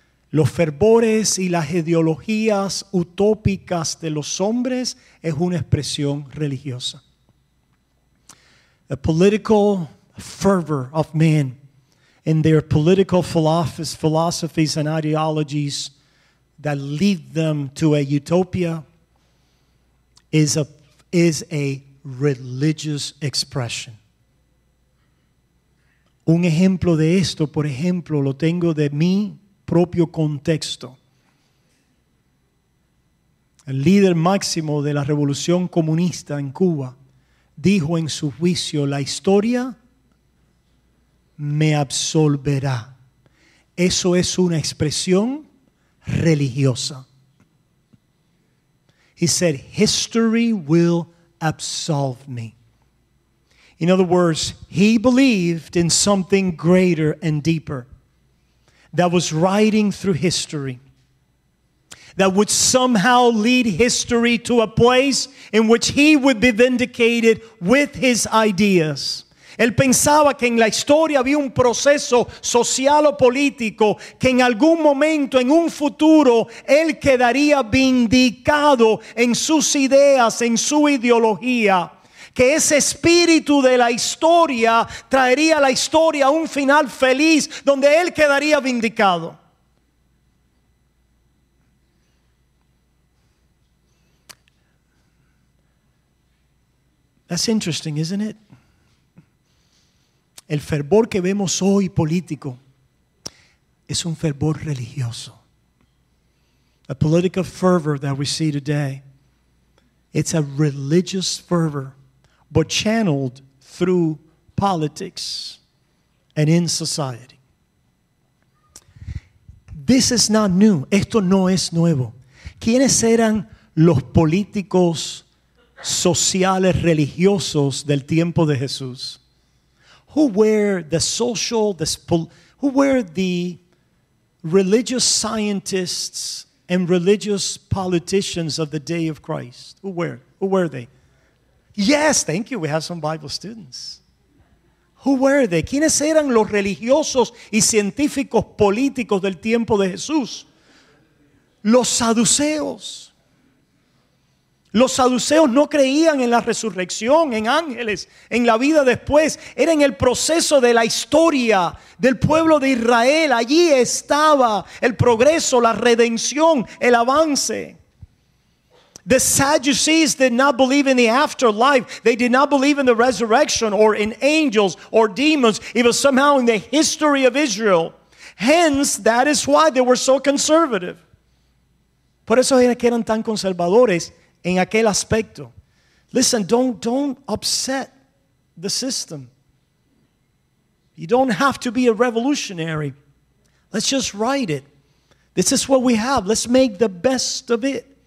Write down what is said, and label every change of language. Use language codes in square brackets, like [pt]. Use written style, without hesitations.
[es] Los fervores y las ideologías utópicas de los hombres es una expresión religiosa. [en] The political fervor of men and their political philosophies and ideologies that lead them to a utopia is a religious expression. [es] Un ejemplo de esto, por ejemplo, lo tengo de mi propio contexto. El líder máximo de la revolución comunista en Cuba dijo en su juicio: la historia me absolverá. Eso es una expresión religiosa. [en] He said, history will absolve me. In other words, he believed in something greater and deeper that was riding through history, that would somehow lead history to a place in which he would be vindicated with his ideas. [es] Él pensaba que en la historia había un proceso social o político que en algún momento, en un futuro, él quedaría vindicado en sus ideas, en su ideología. Que ese espíritu de la historia traería a la historia a un final feliz donde él quedaría vindicado. [en] That's interesting, isn't it? [es] El fervor que vemos hoy político es un fervor religioso. [en] A political fervor that we see today, it's a religious fervor, but channeled through politics and in society. This is not new. [es] Esto no es nuevo. ¿Quiénes eran los políticos sociales religiosos del tiempo de Jesús? [en] Who were the religious scientists and religious politicians of the day of Christ? Who were they? Yes, thank you. We have some Bible students. Who were they? ¿Quiénes eran los religiosos y científicos políticos del tiempo de Jesús? [es] Los saduceos. Los saduceos no creían en la resurrección, en ángeles, en la vida después. Era en el proceso de la historia del pueblo de Israel. Allí estaba el progreso, la redención, el avance. [en] The Sadducees did not believe in the afterlife. They did not believe in the resurrection or in angels or demons. It was somehow in the history of Israel. Hence, that is why they were so conservative. [es] Por eso era que eran tan conservadores en aquel aspecto. [en] Listen, don't upset the system. You don't have to be a revolutionary. Let's just write it. This is what we have. Let's make the best of it.